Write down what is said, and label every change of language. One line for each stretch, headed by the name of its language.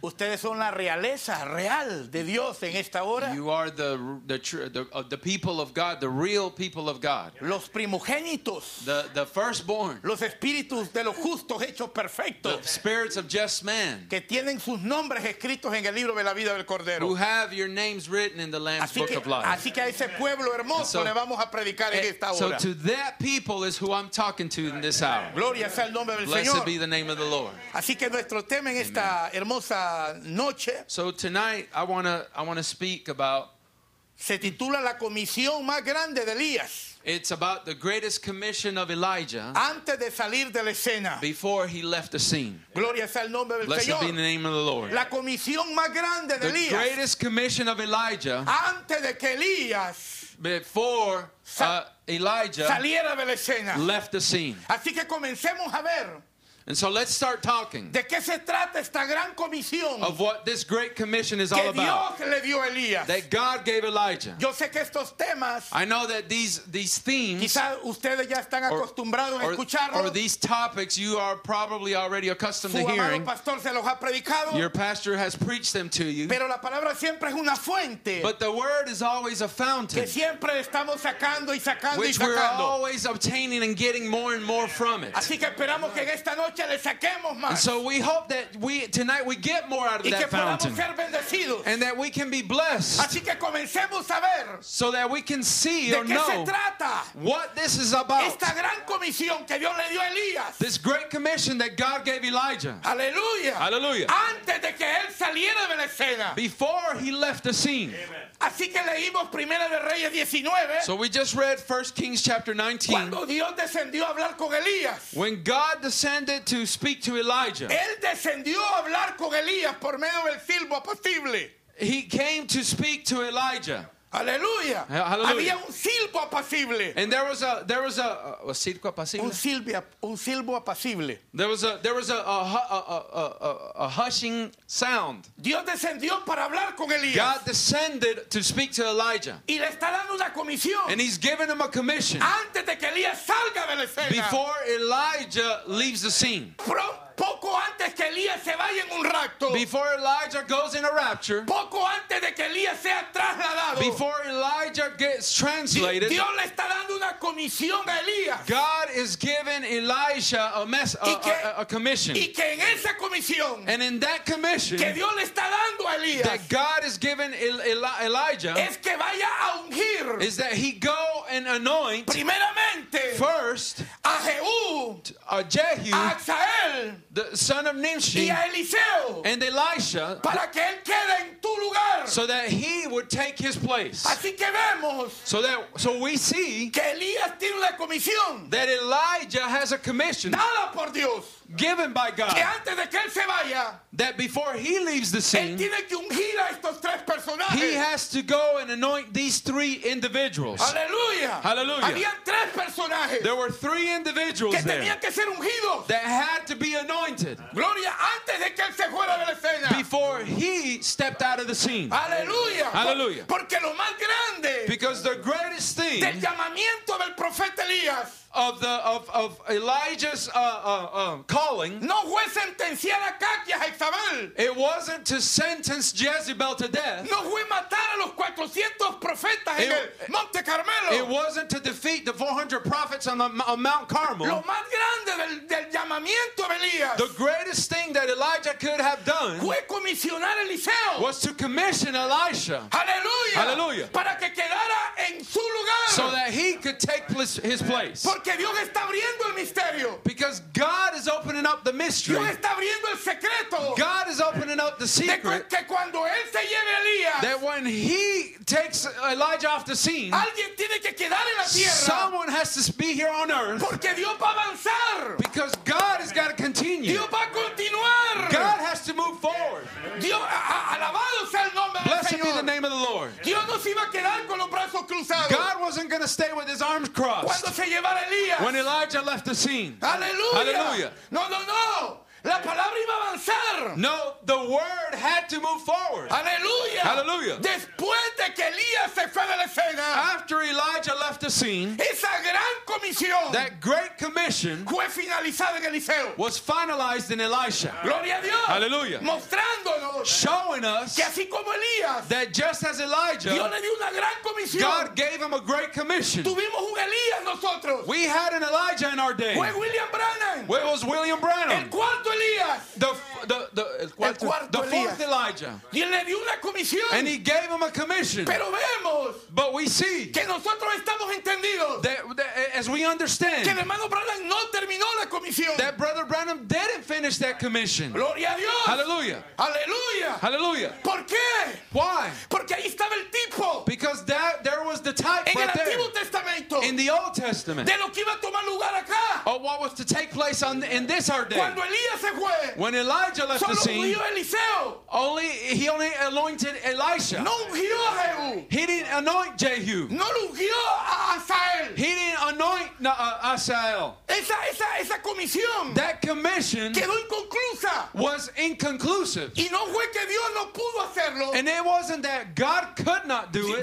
Spanish: Ustedes son la realeza real de Dios en esta hora.
English: You are the people of God, the real people of God.
Spanish: Los primogénitos.
English: The firstborn.
Spanish: Los espíritus de los justos hechos perfectos.
English: The spirits of just men.
Spanish: Que tienen sus nombres escritos en el libro de la vida del Cordero.
English: Who have your names written in the Lamb's book of life.
Spanish: Así que a ese pueblo hermoso le vamos a predicar en esta hora.
English: So to that people is who I'm talking to in this hour.
Spanish: Gloria sea el nombre del Señor.
English: Blessed be the name of the Lord.
Spanish: Así que nuestro tema en esta hermosa noche.
English: So tonight I want to speak about.
Spanish: Se titula la comisión más grande de Elías.
English: It's about the greatest commission of Elijah
Spanish: antes de salir de la escena.
English: Before he left the scene.
Spanish: Gloria sea el nombre del
English: Señor. Blessed be the name of the Lord.
Spanish: La comisión más grande de Elías.
English: The greatest commission of Elijah
Spanish: antes de que Elías
English: before Elijah
Spanish: saliera de la escena.
English: Left the scene.
Spanish: Así que comencemos a ver.
English: And so let's start talking.
Spanish: ¿De qué se trata esta gran comisión?
English: Of what this great commission is
Spanish: que
English: all about.
Spanish: Dios le dio a Elías.
English: That God gave Elijah.
Spanish: Yo sé que estos temas,
English: I know that these themes.
Spanish: Quizá ustedes ya están acostumbrados a escucharlos.
English: Or these topics you are probably already accustomed
Spanish: su
English: to hearing.
Spanish: Amado pastor se los ha predicado.
English: Your pastor has preached them to you.
Spanish: Pero la palabra siempre es una fuente.
English: But the word is always a fountain.
Spanish: Que siempre estamos sacando y sacando
English: which
Spanish: y sacando.
English: We're always obtaining and getting more and more from it.
Spanish: Así que esperamos que en esta noche.
English: And so we hope that tonight we get more out of that fountain and that we can be blessed
Spanish: así que comencemos a ver
English: so that we can see
Spanish: de
English: or know
Spanish: se trata
English: what this is about.
Spanish: Esta gran comisión que Dios le dio a Elías.
English: This great commission that God gave Elijah. Hallelujah. Hallelujah.
Spanish: Antes de que él saliera de la escena.
English: Before he left the scene.
Spanish: Así que leímos Primera de Reyes 19.
English: So we just read 1 Kings chapter 19.
Spanish: Cuando Dios descendió a hablar con Elías.
English: When God descended to speak to Elijah.
Spanish: Él descendió a hablar con Elías por medio del silbo apacible.
English: He came to speak to Elijah.
Spanish: Aleluya.
English: Hallelujah.
Spanish: Había un silbo apacible.
English: And there was a
Spanish: silbo apacible. Un silbo apacible.
English: There was a hushing sound.
Spanish: Dios descendió para hablar con Elías.
English: God descended to speak to Elijah.
Spanish: Y le está dando una comisión.
English: And he's giving him a commission.
Spanish: Antes de que Elías salga de la escena.
English: Before Elijah leaves the scene.
Spanish: Poco antes que Elías se vaya en un rapto.
English: Before Elijah goes in a rapture.
Spanish: Poco antes de que Elías sea trasladado.
English: Before Elijah gets translated.
Spanish: Dios le está dando una comisión a Elías.
English: God is giving Elijah a commission.
Spanish: Y que en esa comisión.
English: And in that commission.
Spanish: Que Dios le está dando a Elías.
English: That God is giving Elijah.
Spanish: Es que vaya a ungir.
English: Is that he go and anoint.
Spanish: Primeramente.
English: First.
Spanish: A Jehú.
English: A Jehu.
Spanish: A Azael.
English: The son of Nimshi
Spanish: y a Eliseo,
English: and Elisha
Spanish: para que él quede en tu lugar.
English: So that he would take his place.
Spanish: Así que vemos
English: so we see
Spanish: que Elías tiene una comisión,
English: that Elijah has a commission
Spanish: dada por Dios,
English: given by God,
Spanish: que antes de que él se vaya,
English: that before he leaves the scene,
Spanish: él tiene que ungir a estos tres personajes.
English: He has to go and anoint these three individuals. Hallelujah. Hallelujah.
Spanish: Había tres personajes.
English: There were three individuals
Spanish: que tenían que ser ungidos.
English: That had to be anointed.
Spanish: Gloria, antes de que él se fuera de la escena.
English: Before he stepped out of the scene. Hallelujah. Hallelujah.
Spanish: Porque lo más grande,
English: because the greatest thing
Spanish: del llamamiento del profeta Elías,
English: of Elijah's calling,
Spanish: no fue sentenciar a Caquia, a Jezabel.
English: It wasn't to sentence Jezebel to death.
Spanish: No fue matar a los 400 profetas en el Monte Carmelo.
English: It wasn't to defeat the 400 prophets on Mount Carmel.
Spanish: Lo más grande del llamamiento de Elías,
English: the greatest thing that Elijah could have done,
Spanish: fue comisionar a Eliseo,
English: was to commission Elisha. Hallelujah. Hallelujah.
Spanish: Para que quedara en su lugar,
English: so that he could take his place.
Spanish: Porque Dios está abriendo el misterio.
English: Because God is opening up the mystery.
Spanish: Dios está abriendo el secreto.
English: God is opening up the secret.
Spanish: Que cuando él se lleve a Elías,
English: that when he takes Elijah off the scene,
Spanish: alguien tiene que quedar en la tierra.
English: Someone has to be here on earth.
Spanish: Porque Dios va a avanzar.
English: Because God has got to continue.
Spanish: Dios va a continuar.
English: God has to move forward.
Spanish: Dios, alabado sea el nombre del
English: Blessed Blessed be the name of the Lord.
Spanish: Dios no se iba a quedar con los brazos cruzados.
English: God wasn't going to stay with his arms crossed.
Spanish: Cuando se lleva
English: when Elijah left the scene. Hallelujah. Hallelujah.
Spanish: No, no, no. La palabra iba a avanzar.
English: No, the word had to move forward. Hallelujah. Hallelujah.
Spanish: Después de que Elías se fue de la escena,
English: after Elijah left the scene,
Spanish: esa gran comisión,
English: that great commission,
Spanish: fue finalizada en Eliseo,
English: was finalized in Elisha.
Spanish: Gloria a Dios.
English: Hallelujah.
Spanish: Mostrándonos,
English: showing us,
Spanish: que así como Elías,
English: that just as Elijah,
Spanish: Dios le dio una gran comisión,
English: God gave him a great commission.
Spanish: Tuvimos un Elías nosotros.
English: We had an Elijah in our day.
Spanish: Fue William Branham.
English: Where was William Branham?
Spanish: El cuarto Elías.
English: The, the fourth Elijah.
Spanish: Y él le dio una comisión.
English: And he gave him a commission.
Spanish: Pero vemos,
English: but we see
Spanish: que nosotros estamos entendidos,
English: as we understand,
Spanish: que el hermano Branham no terminó la comisión.
English: That Brother Branham didn't finish that commission.
Spanish: Gloria a Dios.
English: Hallelujah. Hallelujah. Hallelujah.
Spanish: ¿Por qué?
English: Why?
Spanish: Porque ahí estaba el tipo.
English: Because that, there was the type
Spanish: en
English: right
Spanish: el
English: there.
Spanish: Antiguo Testamento.
English: In the Old Testament.
Spanish: De lo que iba a tomar lugar acá.
English: Of what was to take place on in this our day.
Spanish: Cuando Elías se fue,
English: when Elijah left
Spanish: solo
English: the scene,
Spanish: Eliseo.
English: Only he only anointed Elisha.
Spanish: No ungió a Jehu.
English: He didn't anoint Jehu.
Spanish: No ungió a Asael.
English: He didn't anoint Asael.
Spanish: Esa comisión,
English: that commission,
Spanish: quedó inconclusa.
English: Was inconclusive.
Spanish: Y no fue que Dios no pudo hacerlo.
English: And it wasn't that God could not do it.